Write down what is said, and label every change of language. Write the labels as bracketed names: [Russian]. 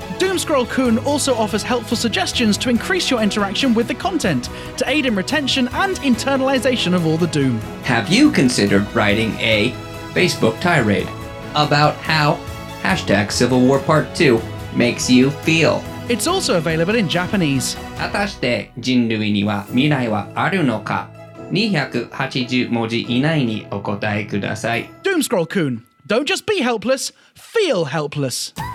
[English] Doomscroll-kun also offers helpful suggestions to increase your interaction with the content, to aid in retention and internalization of all the doom. Have you considered writing a Facebook tirade about how hashtag Civil War Part 2 makes you feel? It's also available in Japanese. [Japanese] 果たして人類には未来はあるのか？280文字以内にお答えください。 [English] Doomscroll-kun, don't just be helpless, feel helpless.